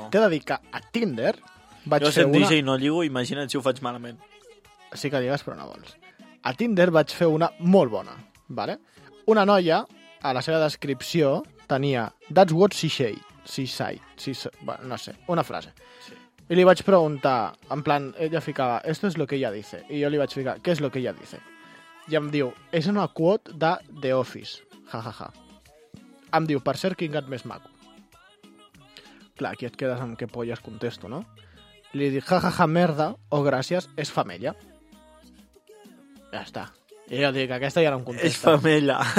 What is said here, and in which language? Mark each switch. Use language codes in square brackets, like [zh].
[ca] Ara, t'he de dir que a Tinder vaig jo fer una... Jo sent DJ i no lligo, imagina't si ho faig malament. Sí que digues, però no vols. A Tinder vaig fer una molt bona, vale? Una noia, a la seva descripció, tenia... [en] That's what she say, she say, she say, bueno, no sé, una frase. [ca] Sí. I li vaig preguntar, en plan, ella ficava, esto es lo que ella dice. I jo li vaig ficar, ¿qué es lo que ella dice? I em diu, és una quote de The Office. Ja, ja, ja. Em diu, per cert, quin gat més maco. Clar, aquí et quedes amb què polles contesto, no? Li dic, ja, ja, ja, merda, o gràcies, és femella. Ja està. I jo dic, aquesta ja no em contesta. És femella.